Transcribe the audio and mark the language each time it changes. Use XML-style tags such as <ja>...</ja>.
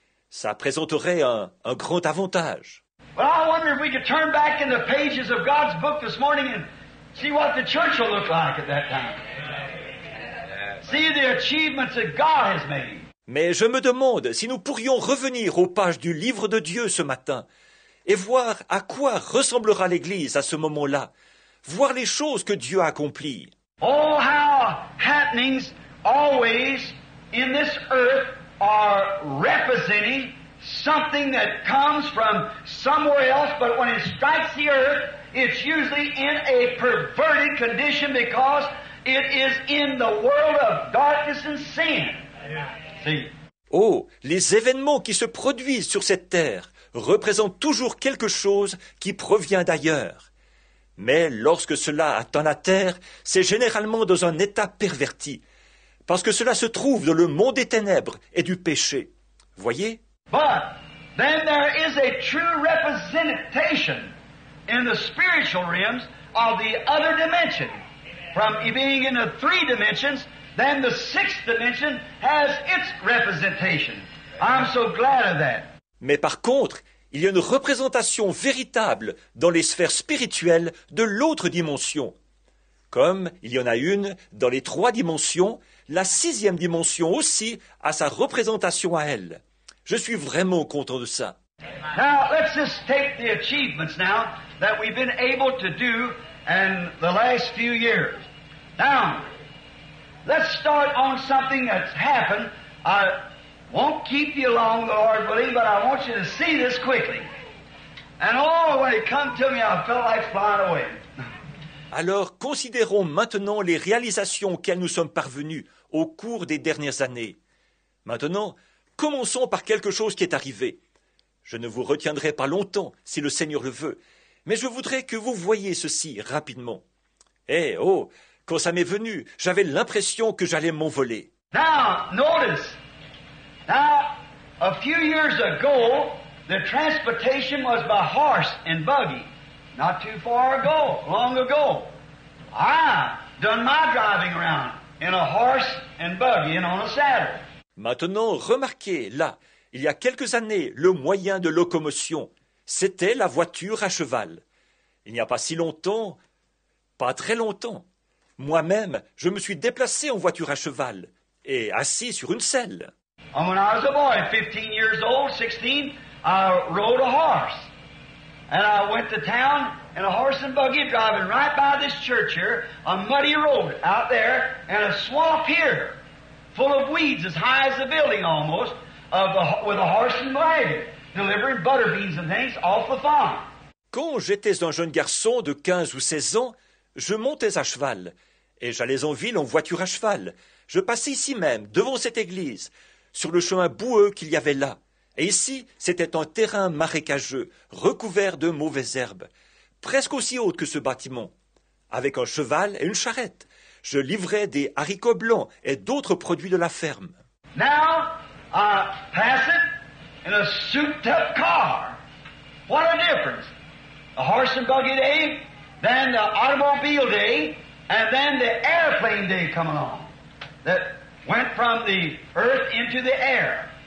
<fr>Ça présenterait un grand avantage.</fr> <en>Well, I wonder if we could turn back in the pages of God's book this morning and see what the church will look like at that time. See the achievements that God has made.</en> <fr>Mais je me demande si nous pourrions revenir aux pages du livre de Dieu ce matin et voir à quoi ressemblera l'Église à ce moment-là, voir les choses que Dieu a accomplies.</fr> <en>Oh, how happenings always in this earth are representing something that comes from somewhere else, but when it strikes the earth, it's usually in a perverted condition because it is in the world of darkness and sin. See?</en> <fr>Oh, les événements qui se produisent sur cette terre représentent toujours quelque chose qui provient d'ailleurs. Mais lorsque cela atteint la terre, c'est généralement dans un état perverti, parce que cela se trouve dans le monde des ténèbres et du péché. Voyez?</fr> <en>But then there is a true representation in the spiritual realms of the other dimension. From being in the three dimensions, then the sixth dimension has its representation. I'm so glad of that.</en> <fr>Mais par contre, il y a une représentation véritable dans les sphères spirituelles de l'autre dimension. Comme il y en a une dans les trois dimensions, la sixième dimension aussi a sa représentation à elle. Je suis vraiment content de ça.</fr> <en>Now, let's just take the achievements now that we've been able to do in the last few years. Now, let's start on something that's happened. I won't keep you long, Lord willing, but I want you to see this quickly. And oh, when it come to me, I felt like flying away.</en> <fr>Alors, considérons maintenant les réalisations auxquelles nous sommes parvenus au cours des dernières années. Maintenant, commençons par quelque chose qui est arrivé. Je ne vous retiendrai pas longtemps, si le Seigneur le veut, mais je voudrais que vous voyiez ceci rapidement. Eh, oh, quand ça m'est venu, j'avais l'impression que j'allais m'envoler.</fr> <en>Now, notice. Now, a few years ago, the transportation was by horse and buggy. Not too far ago, long ago. I done my driving around in a horse and buggy and on a saddle.</en> <fr>Maintenant, remarquez, là, il y a quelques années, le moyen de locomotion, c'était la voiture à cheval. Il n'y a pas si longtemps, pas très longtemps, moi-même, je me suis déplacé en voiture à cheval et assis sur une selle.</fr> <en>And when I was a boy, 15 years old, 16, I rode a horse. And I went to town in a horse and buggy driving right by this church here, a muddy road out there, and a swamp here. Full of weeds, as high as the building almost, with a horse and wagon, delivering butter beans and things off the farm.</en> <fr>Quand j'étais un jeune garçon de 15 ou 16 ans, je montais à cheval, et j'allais en ville en voiture à cheval. Je passais ici même, devant cette église, sur le chemin boueux qu'il y avait là. Et ici, c'était un terrain marécageux, recouvert de mauvaises herbes, presque aussi haute que ce bâtiment, avec un cheval et une charrette. Je livrais des haricots blancs et d'autres produits de la ferme.</fr> <en>Now, I pass it in a souped-up car. What a difference! The horse and buggy day, then the automobile day, and then the airplane day come along that went from the earth into the air.</en>